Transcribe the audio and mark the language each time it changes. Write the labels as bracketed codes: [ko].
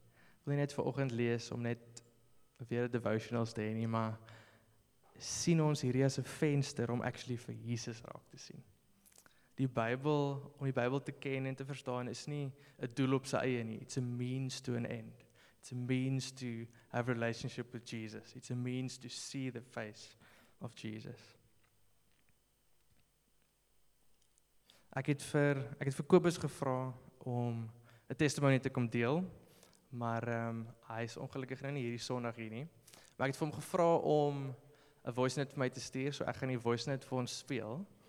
[af] Ek wil nie net vanoggend lees om net weer 'n devotionals te hê nie, maar sien ons hierdie as 'n venster om actually vir Jesus raak te sien. Die Bybel, om die Bybel te ken en te verstaan, is nie 'n doel op sy eie nie. [en] It's a means to an end. It's a means to have a relationship with Jesus. It's a means to see the face of Jesus. [af] Ek het vir Kobus gevra om 'n testimony te kom deel, maar hy is ongelukkig nou nie hierdie Sondag hier nie. Maar ek het vir hom gevra om 'n voice note vir my te stuur, so ek gaan die voice note vir ons speel.